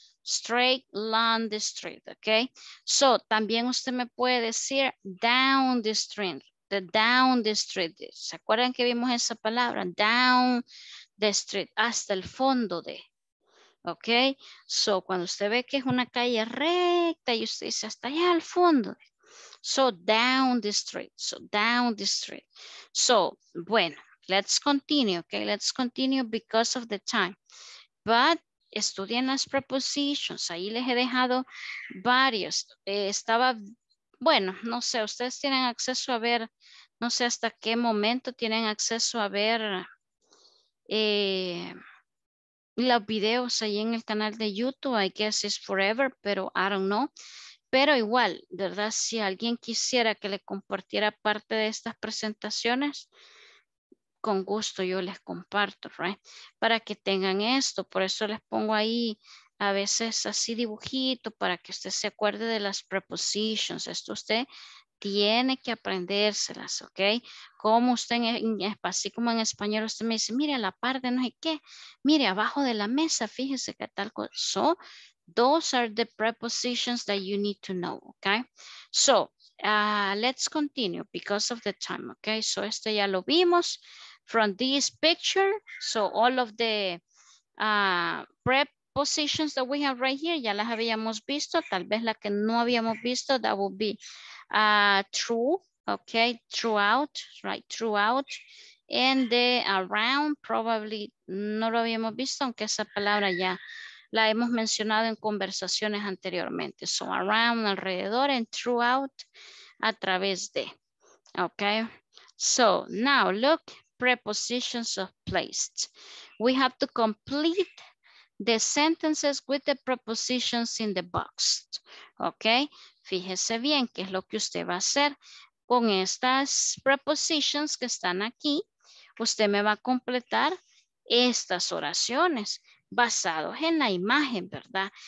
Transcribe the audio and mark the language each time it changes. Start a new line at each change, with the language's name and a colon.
English: Straight along the street, ok. So,
Spanish: también usted me puede decir
English: down the street, the down the street.
Spanish: ¿Se acuerdan que vimos esa palabra? Down the street, hasta el fondo de, ok. So, cuando usted ve que es una calle recta y usted dice hasta allá al fondo de.
English: So, down the street, so down the street. So, bueno. Let's continue, okay? Let's continue because of the time.
Spanish: But estudien las prepositions. Ahí les he dejado varios. Estaba, bueno, no sé, ustedes tienen acceso a ver, no sé hasta qué momento tienen acceso a ver los videos ahí en el canal de YouTube.
English: I guess it's forever, pero I don't know.
Spanish: Pero igual, ¿verdad? Si alguien quisiera que le compartiera parte de estas presentaciones, con gusto yo les comparto, right? Para que tengan esto, por eso les pongo ahí a veces así dibujito para que usted se acuerde de las prepositions. Esto usted tiene que aprendérselas, ¿ok? Como usted, así como en español usted me dice, mire a la par de no sé qué, mire abajo de la mesa, fíjese que tal cosa.
English: So, those are the prepositions that you need to know, ¿ok? So, let's continue because of the time, okay? So
Spanish: este ya lo vimos
English: from this picture. So all of the prepositions that we have right here,
Spanish: ya las habíamos visto. Tal vez la que no habíamos visto,
English: that would be true, okay? Throughout, right? Throughout. And the around, probably
Spanish: no lo habíamos visto, aunque esa palabra ya la hemos mencionado en conversaciones anteriormente.
English: So around,
Spanish: alrededor,
English: and throughout,
Spanish: a través de.
English: Okay. So now look, prepositions of placed. We have to complete the sentences with the prepositions in the box. Okay.
Spanish: Fíjese bien qué es lo que usted va a hacer con estas prepositions que están aquí. Usted me va a completar estas oraciones basados en la imagen, ¿verdad?